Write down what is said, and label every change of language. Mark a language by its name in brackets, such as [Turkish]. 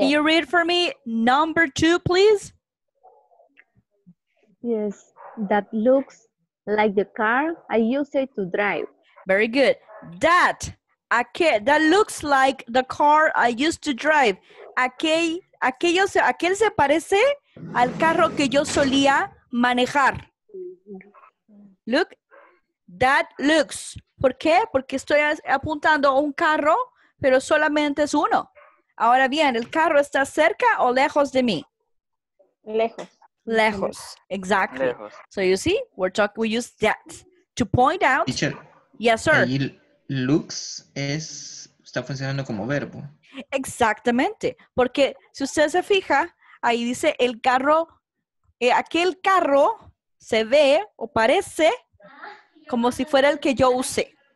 [English] Can you read for me number two, please? Yes, that looks like the car I use it to drive. Very good. That, aquel, that looks like the car I used to drive. [Spanish] Aquel se parece al carro que yo solía manejar. [English] Look, that looks. [Spanish] ¿Por qué? Porque estoy apuntando a un carro, pero solamente es uno. Ahora bien, ¿el carro está cerca o lejos de mí? Lejos. Lejos, [English] exactly. [Spanish] Lejos. [English] So you see, we use that to point out. Teacher, yes, sir. [Spanish] Ahí looks está funcionando como verbo. Exactamente, porque si usted se fija, ahí dice el carro, aquel carro se ve o parece como si fuera el que yo use.